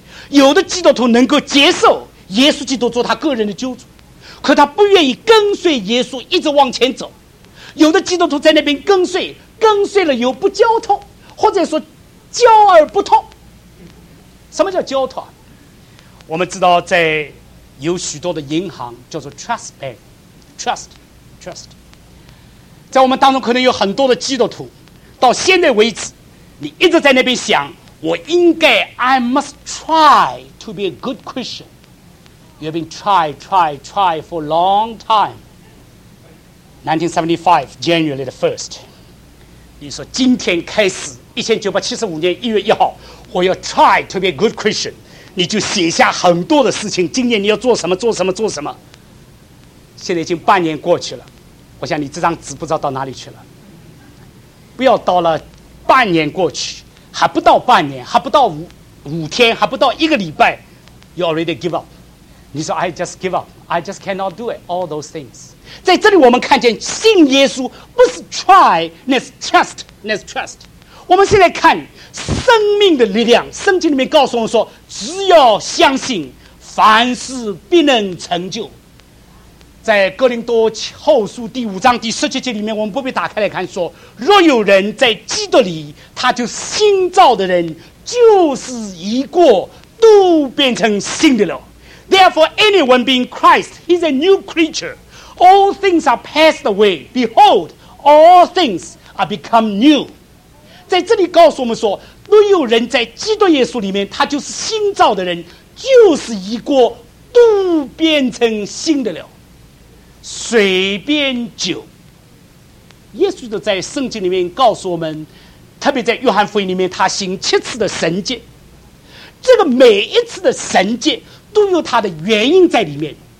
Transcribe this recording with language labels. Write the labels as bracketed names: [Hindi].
[Chinese] 有的基督徒能够接受耶稣基督做他个人的救主，可他不愿意跟随耶稣一直往前走。有的基督徒在那边跟随，跟随了又不交托，或者说交而不托。什么叫交托？我们知道在有许多的银行叫做 trust bank， trust。在我们当中可能有很多的基督徒，到现在为止你一直在那边想，我应该 [English] I must try to be a good Christian， you have been try for a long time。 1975 January the 1st， [Chinese] 你说今天开始，1975年1月1号，我要 [English] try to be a good Christian， [Chinese] 你就写下很多的事情，今年你要做什么做什么做什么。现在已经半年过去了，我想你这张纸不知道到哪里去了。不要到了半年过去，还不到半年，还不到 五天，还不到一个礼拜， [English] you already give up。 [Chinese] 你说 [English] I just give up， I just cannot do it all those things。 [Chinese] 在这里我们看见信耶稣不是 try， 那是 trust， 那是 trust。我们现在看生命的力量，圣经里面告诉我们说，只要相信，凡事必能成就。在哥林多后书第5章第17节里面，我们不必打开来看，说若有人在基督里，他就新造的人，旧事已过，都变成新的了。 [English] Therefore anyone being Christ, he is a new creature. All things are passed away. Behold, all things are become new. [Chinese] 在这里告诉我们说，若有人在基督耶稣里面，他就是新造的人，旧事已过，都变成新的了。水变酒，耶稣都在圣经里面告诉我们，特别在约翰福音里面，他行7次的神迹，这个每一次的神迹都有他的原因在里面。